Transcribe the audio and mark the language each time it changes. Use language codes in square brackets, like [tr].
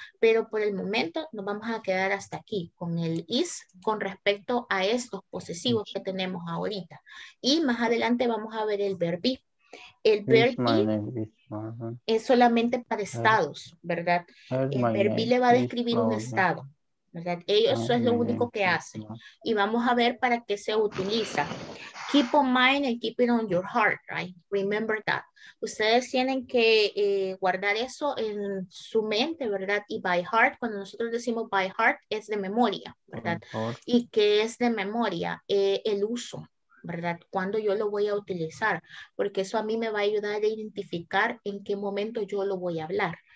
[es] Pero por el momento nos vamos a quedar hasta aquí con el is con respecto a estos posesivos que tenemos ahorita. Y más adelante vamos a ver el verb be. El verb be es solamente para estados, ¿verdad? El verb be le va a describir un estado, ¿verdad? Eso es lo único que hacen. Y vamos a ver para qué se utiliza. [en] Keep on mind and keep it on your heart, right? Remember that. [es] Ustedes tienen que guardar eso en su mente, ¿verdad? Y by heart, cuando nosotros decimos by heart, es de memoria, ¿verdad? Y que es de memoria el uso, ¿verdad? Cuando yo lo voy a utilizar, porque eso a mí me va a ayudar a identificar en qué momento yo lo voy a hablar.